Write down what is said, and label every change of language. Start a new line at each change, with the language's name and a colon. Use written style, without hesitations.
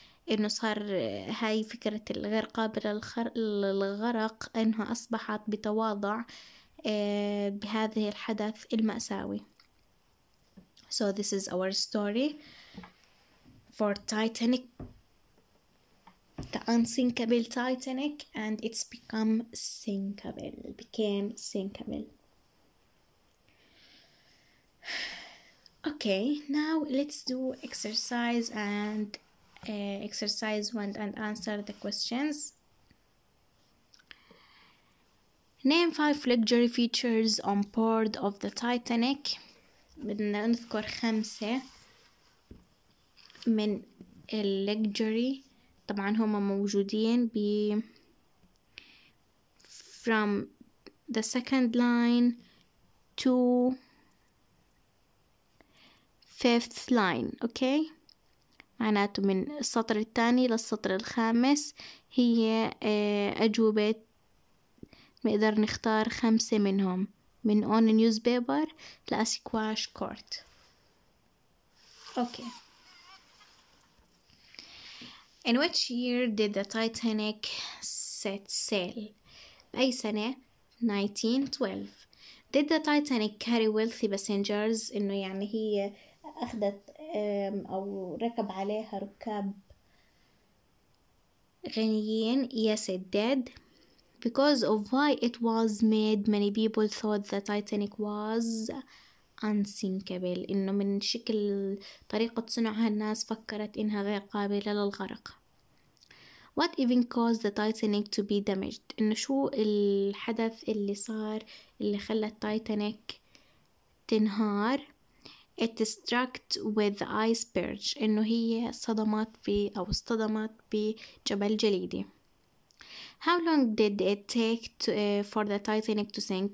Arabic: إنه صار هاي فكرة الغير قابلة للغرق إنها أصبحت بتواضع بهذه الحدث المأساوي.
English: So this is our story for Titanic, the unsinkable Titanic, and it's became sinkable. Okay, now let's do exercise one and answer the questions. Name five luxury features on board of the Titanic.
Arabic: بدنا نذكر خمسة من luxury. طبعا هما موجودين ب
English: from the second line to fifth line. Okay.
Arabic: معناته من السطر الثاني للسطر الخامس هي أجوبة. مقدر نختار خمسة منهم من
English: on a newspaper
Arabic: لأسكواش كورت.
English: Okay. In which year did the Titanic set sail?
Arabic: بأي سنة؟ 1912.
English: Did the Titanic carry wealthy passengers؟
Arabic: إنه يعني هي أخذت أو ركب عليها ركاب غنيين؟
English: Yes, it did. Because of why it was made, many people thought the Titanic was unsinkable.
Arabic: إنه من شكل طريقة صنعها الناس فكرت إنها غير قابلة للغرق.
English: What even caused the Titanic to be damaged?
Arabic: إنه شو الحدث اللي صار اللي خلى التايتانيك تنهار؟
English: It struck with the iceberg.
Arabic: إنه هي صدمت ب أو اصطدمت بجبل جليدي.
English: How long did it take to, for the Titanic to sink?